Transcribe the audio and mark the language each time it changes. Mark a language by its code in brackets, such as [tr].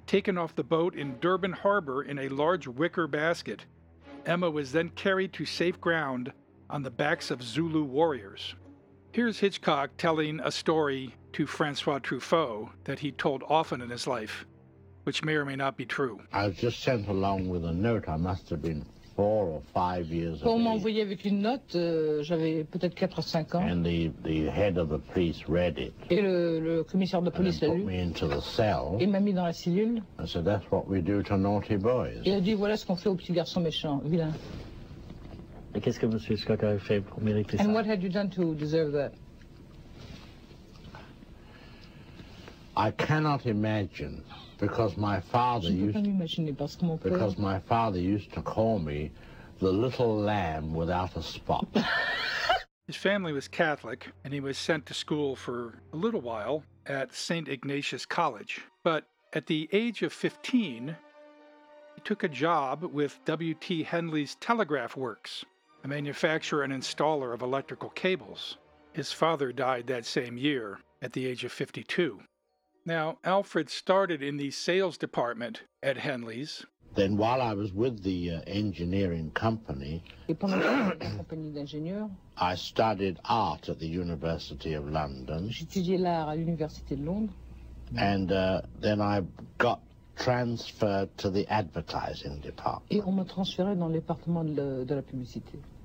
[en] Taken off the boat in Durban Harbor in a large wicker basket, Emma was then carried to safe ground on the backs of Zulu warriors. Here's Hitchcock telling a story to Francois Truffaut that he told often in his life, which may or may not be true. I was just sent along with a note. I must have been 4 or 5 years old. [fr] Pour m'envoyer avec une note, j'avais peut-être 4 or 5 ans. [en] And the head of the police read it. [fr] Et le commissaire de police l'a lu. [en] And put me into the cell. [fr] Et m'a mis dans la cellule. [en] And said, that's what we do to naughty boys. [fr] Il a dit, voilà ce qu'on fait aux petits garçons méchants, vilains. Et qu'est-ce que M. Hitchcock avait fait pour mériter ça? [en] And what had you done to deserve that? I cannot imagine. Because my father used to call me the little lamb without a spot. His family was Catholic, and he was sent to school for a little while at St. Ignatius College. But at the age of 15, he took a job with W.T. Henley's Telegraph Works, a manufacturer and installer of electrical cables. His father died that same year at the age of 52. Now, Alfred started in the sales department at Henley's. Then while I was with the engineering company, I studied art at the University of London. [fr] J'étudiais l'art à l'Université de Londres. [en] And then I got transferred to the advertising department. [fr] Et on m'a transféré dans le département de la publicité.